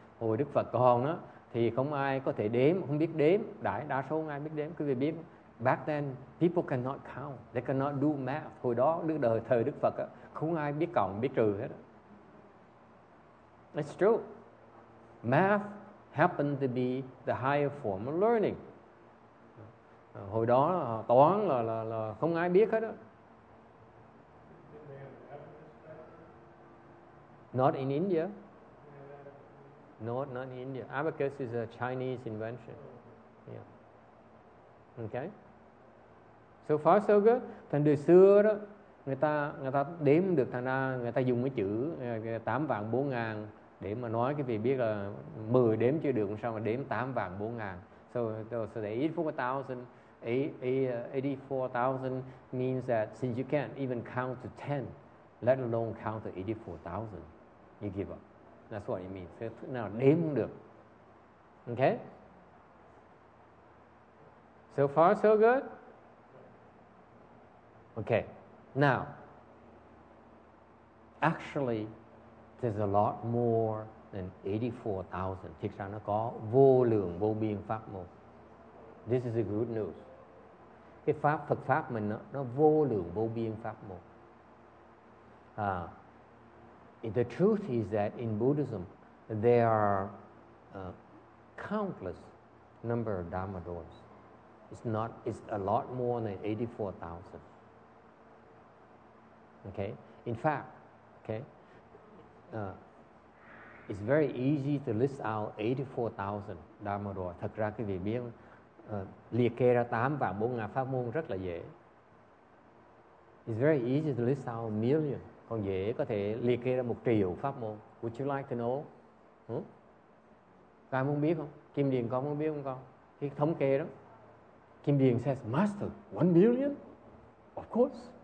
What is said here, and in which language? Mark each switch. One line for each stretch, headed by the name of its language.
Vietnamese: Hồi Đức Phật còn á, thì không ai có thể đếm, không biết đếm. Đa số không ai biết đếm. Quý vị biết,
English: back then, people cannot count. They cannot do math.
Vietnamese: Hồi đó, thời Đức Phật á, không ai biết cộng, biết trừ hết.
English: It's true. Math happened to be the higher form of learning.
Vietnamese: Hồi đó, toán là không ai biết hết á.
English: Not in India. Not in India. Abacus is a Chinese invention. Yeah. Okay. So far so good.
Vietnamese: Thành đời xưa đó, người ta đếm được thằng A, người ta dùng cái chữ 84,000 để mà nói cái vị biết là 10 đếm chưa được, sao mà đếm 84,000.
English: So the 84,000 means that since you can't even count to 10, let alone count to 84,000. You give up. That's what it means.
Vietnamese: Thế nào đếm không được.
English: Okay? So far, so good? Okay. Now, actually, there's a lot more than 84,000.
Vietnamese: Thực ra nó có vô lượng, vô biên pháp môn.
English: This is the good news.
Vietnamese: Cái pháp, Phật pháp mình nó vô lượng, vô biên pháp môn.
English: The truth is that in Buddhism, there are countless number of Dharma doors. It's a lot more than 84,000. Okay. In fact, okay, it's very easy to list out 84,000 Dharma doors.
Vietnamese: Thật ra quý vị biết liệt kê ra 84,000 pháp môn rất là dễ.
English: It's very easy to list out a million.
Vietnamese: Còn dễ có thể liệt kê ra 1 triệu pháp môn.
English: Would you like to know
Vietnamese: Con muốn biết không? Kim Điền con muốn biết không con? Cái thống kê đó.
English: Kim Điền says, Master, 1 billion? Of course.